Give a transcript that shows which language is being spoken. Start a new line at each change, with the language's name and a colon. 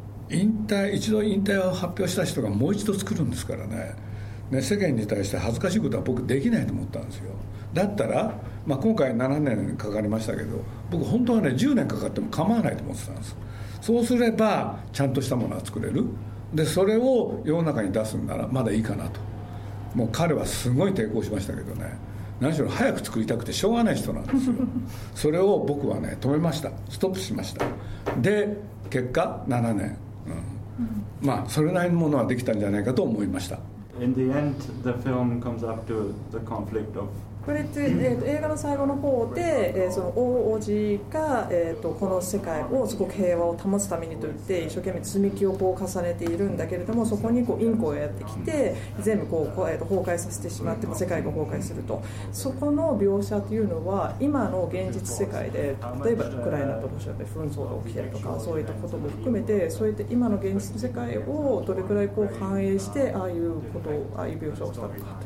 Japanese: 一度引退を発表した人がもう一度作るんですから ね世間に対して恥ずかしいことは僕できないと思ったんですよだったら、まあ、今回7年かかりましたけど僕本当はね10年かかっても構わないと思ってたんですそうすればちゃんとしたものは作れるでそれを世の中に出すんならまだいいかなともう彼はすごい抵抗しましたけどね何しろ早く作りたくてしょうがない人なんですよそれを僕はね止めましたストップしましたで結果7年、まあそれなりのものはできたんじゃないかと思いました
English: In the end, the film comes up to the conflict of...
Japanese: これって、映画の最後の方で、その王子が、この世界をすごく平和を保つためにといって一生懸命積み木をこう重ねているんだけれどもそこにこうインコをやってきて全部こう、崩壊させてしまって世界が崩壊するとそこの描写というのは今の現実世界で例えばウクライナとロシアで紛争が起きているとかそういったことも含めてそうやって今の現実世界をどれくらいこう反映してああいうことああいう描写をしたのかと